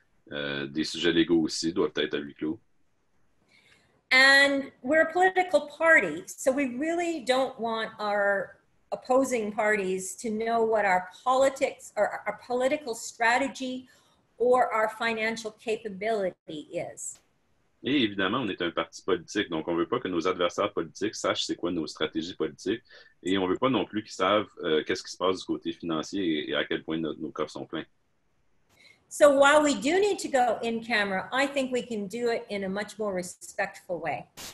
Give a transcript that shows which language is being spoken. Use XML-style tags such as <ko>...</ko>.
<fr>Des sujets légaux aussi doivent être à huis clos.</fr> <en>And we're a political party, so we really don't want our opposing parties to know what our politics or our political strategy or our financial capability is.</en> <fr>Et évidemment, on est un parti politique, donc on veut pas que nos adversaires politiques sachent c'est quoi nos stratégies politiques. Et on veut pas non plus qu'ils savent qu'est-ce qui se passe du côté financier et à quel point nos coffres sont pleins.</fr> <en>So while we do need to go in camera, I think we can do it in a much more respectful way.</en>